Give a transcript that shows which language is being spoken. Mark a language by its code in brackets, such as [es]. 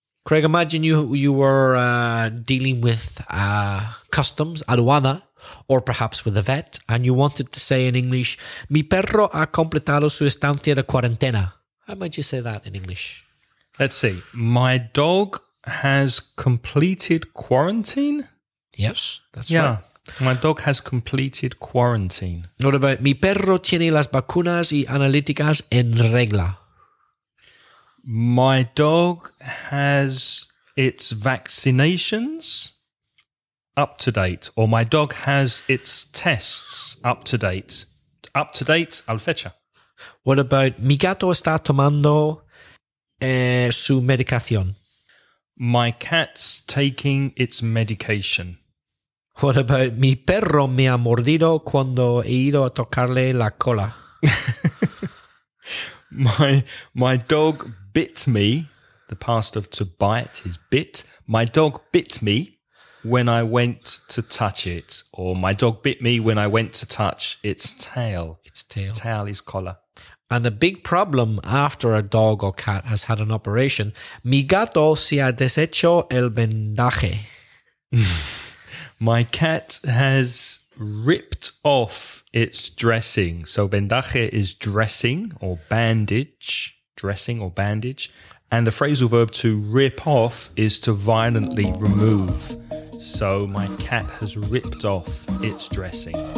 [en] Craig, imagine you were dealing with customs, aduana, or perhaps with a vet, and you wanted to say in English, [es] mi perro ha completado su estancia de cuarentena. [en] How might you say that in English? Let's see. My dog has completed quarantine. Yes, that's right. Yeah, my dog has completed quarantine. What about [es] mi perro tiene las vacunas y analíticas en regla? [en] My dog has its vaccinations up to date, or my dog has its tests up to date. Up to date, [es] al fecha. [en] What about [es] mi gato está tomando su medicación? [en] My cat's taking its medication. What about [es] mi perro me ha mordido cuando he ido a tocarle la cola? [en] My dog bit me, the past of to bite is bit. My dog bit me when I went to touch it. Or my dog bit me when I went to touch its tail. Its tail. Tail is collar. And a big problem after a dog or cat has had an operation. [es] Mi gato se ha deshecho el vendaje. [en] My cat has ripped off its dressing. So vendaje is dressing or bandage. Dressing or bandage. And the phrasal verb to rip off is to violently remove. So my cat has ripped off its dressing.